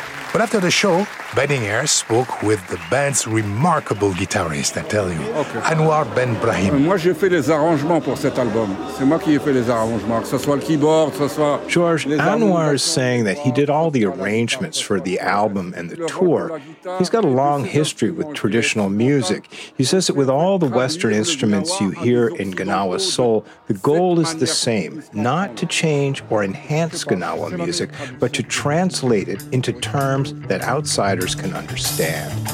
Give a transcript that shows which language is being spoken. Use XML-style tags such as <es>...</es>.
<en>But after the show, Benny Air spoke with the band's remarkable guitarist, I tell you, okay. Anwar Ben Brahim.</en> <fr>Moi, j'ai fait les arrangements pour cet album. C'est moi qui ai fait les arrangements, que ce soit le keyboard, que ce soit...</fr> <en>George, Anwar is saying that he did all the arrangements for the album and the tour. He's got a long history with traditional music. He says that with all the Western instruments you hear in Gnawa Soul, the goal is the same, not to change or enhance Gnawa music, but to translate it into terms that outside can understand.</en>